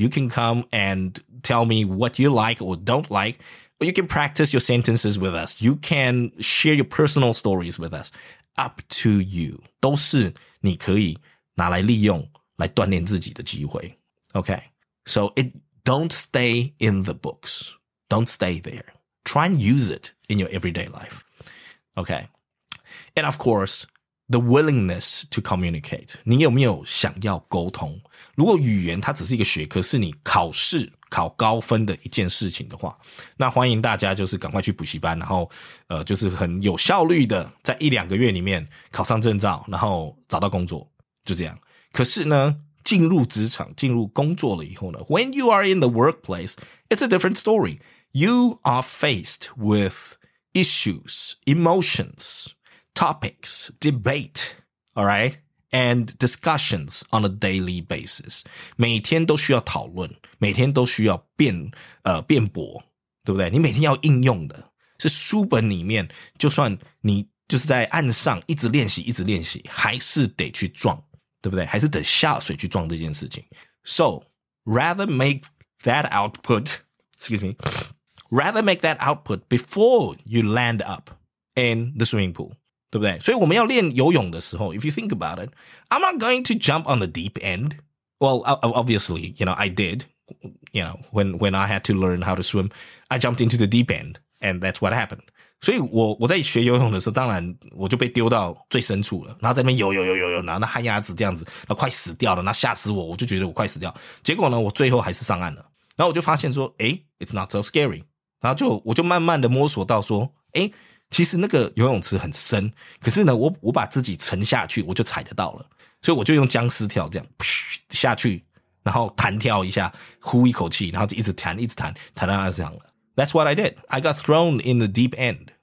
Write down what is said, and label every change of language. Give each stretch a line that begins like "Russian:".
English: You can come and tell me what you like or don't like. Or you can practice your sentences with us. You can share your personal stories with us. Up to you.
Chinese: 都是你可以拿来利用来锻炼自己的机会。
English: Okay. So it don't stay in the books. Don't stay there. Try and use it in your everyday life. Okay. And of course, the willingness to communicate.
Chinese: 你有没有想要沟通？如果语言它只是一个学科，是你考试考高分的一件事情的话，那欢迎大家就是赶快去补习班，然后就是很有效率的在一两个月里面考上证照，然后找到工作，就这样。可是呢，进入职场，进入工作了以后呢，
English: when you are in the workplace, it's a different story. You are faced withissues, emotions, topics, debate, all right, and discussions on a daily basis.
Chinese: 每天都需要讨论，每天都需要辩驳，对不对？你每天要应用的是书本里面，就算你就是在岸上一直练习，一直练习，还是得去撞，对不对？还是得下水去撞这件事情。
English: So rather make that output, excuse me. Rather make that output before you land up in the swimming pool.
Chinese: 对不对？所以我们要练游泳的时候，
English: if you think about it, I'm not going to jump on the deep end. Well, obviously, you know, I did. You know, when I had to learn how to swim, I jumped into the deep end. And that's what happened.
Chinese: 所以我在学游泳的时候，当然我就被丢到最深处了，然后在那边游游游游游，然后那旱鸭子这样子，然后快死掉了，那吓死我，我就觉得我快死掉。结果呢，我最后还是上岸了。然后我就发现说，诶，
English: it's not so scary.
Chinese: 然后我就慢慢的摸索到说，诶，其实那个游泳池很深，可是呢我把自己沉下去我就踩得到了。所以我就用僵尸跳这样下去，然后弹跳一下，呼一口气，然后一直弹一直弹，弹到岸上了。
English: That's what I did. I got thrown in the deep end.